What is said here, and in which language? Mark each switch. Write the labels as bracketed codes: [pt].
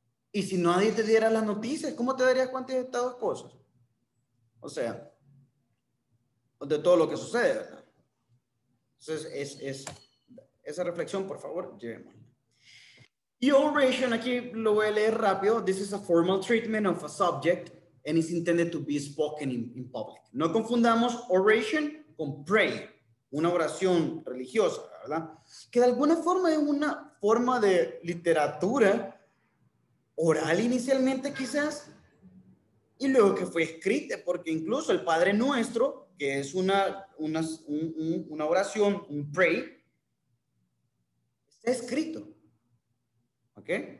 [es] Y si nadie te diera las noticias, ¿cómo te darías cuenta de estas dos cosas? O sea, de todo lo que sucede, ¿verdad? Entonces, esa reflexión, por favor, llevémosla. Y oration, aquí lo voy a leer rápido. [en] This is a formal treatment of a subject and is intended to be spoken in public. [es] No confundamos oration con prayer, una oración religiosa, ¿verdad? Que de alguna forma es una forma de literatura oral inicialmente, quizás, y luego que fue escrita, porque incluso el Padre Nuestro, que es una oración, un pray, está escrito. ¿Ok?